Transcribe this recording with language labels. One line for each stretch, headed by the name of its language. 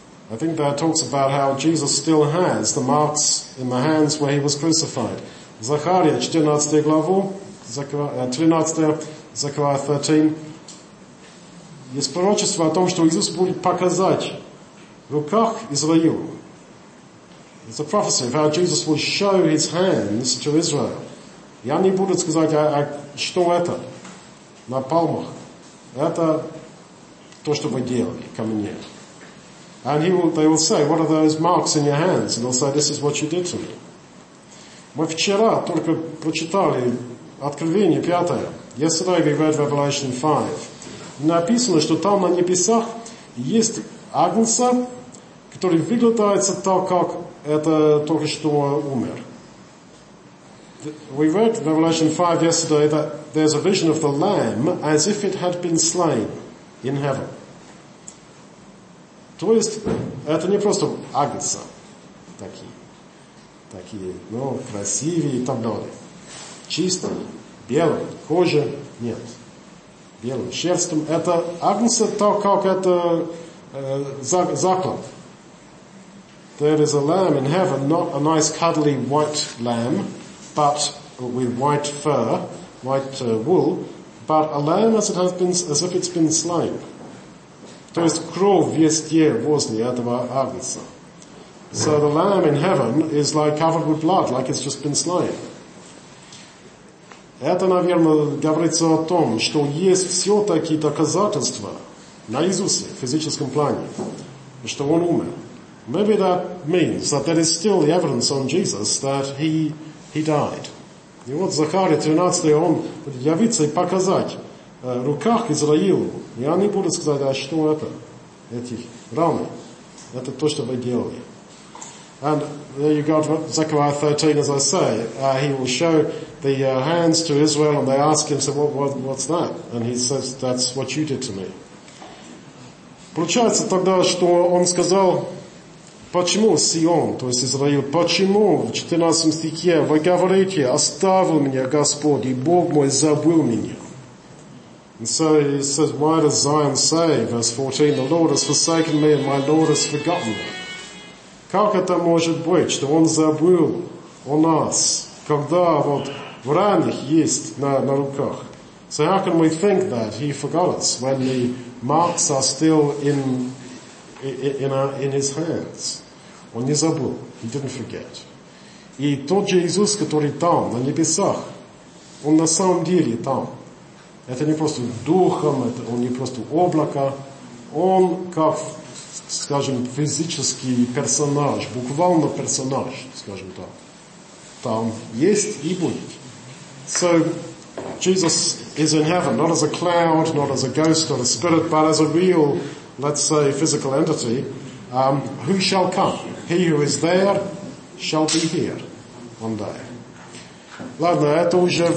English: I think that talks about how Jesus still has the marks in the hands where he was crucified.
Russian: Захария, 14 главу, Zechariah 13, есть пророчество о том, что Иисус будет показать в руках Израилу.
English: It's a prophecy of how Jesus will show his hands to Israel.
Russian: Я не буду сказать, а что это на пальмах? Это то, что вы делали ко мне.
English: And they will say, what are those marks in your hands? And they'll say, this is what you did to me.
Russian: Мы вчера только прочитали Откровение 5.
English: Yesterday we read Revelation 5.
Russian: Написано, что там на небесах есть Агнца, который выглядается так, как это только что умер.
English: We read Revelation 5 yesterday that there's a vision of the Lamb as if it had been slain in heaven.
Russian: То есть, это не просто Агнца. Такие, ну, красивые и так далее. Чистые, белые, кожа, нет. Белым шерстом. Это Агнца так, как это заклад.
English: There is a lamb in heaven, not a nice cuddly white lamb, but with white fur, white wool, but a lamb as it has been, as if it's been slain.
Russian: То есть кровь есть возле этого Агнца.
English: So the lamb in heaven is like covered with blood, like it's just been slain.
Russian: Это, наверное, говорится о том, что есть все-таки доказательства на Иисусе в физическом плане, что Он умер.
English: Maybe that means that there is still the evidence on Jesus that he died.
Russian: И вот Захария 13, он явится и показать в руках Израилу. Я не буду сказать, а что это, эти раны, это то, что вы делали.
English: And there you go, Zechariah 13, as I say, he will show the hands to Israel, and they ask him, so what's that? And he says, that's what you did to me.
Russian: Получается тогда, что он сказал, почему Сион, то есть Израиль, почему в 14 стихе вы говорите, оставил меня Господь, и Бог мой забыл меня?
English: And so he says, why does Zion say, verse 14, the Lord has forsaken me, and my Lord has forgotten me?
Russian: Как это может быть, что он забыл о нас, когда вот в ранах есть на руках?
English: So how can we think that he forgot us when the marks are still in his hands?
Russian: Он не забыл.
English: He didn't forget.
Russian: И тот же Иисус, который там, на небесах, он на самом деле там. Это не просто духом, это он не просто облако. Он как, скажем, физический персонаж, буквально персонаж, скажем так. Там есть и будет.
English: So, Jesus is in heaven, not as a cloud, not as a ghost or a spirit, but as a real, let's say, physical entity, who shall come. He who is there shall be here one day.
Russian: Ладно, это уже...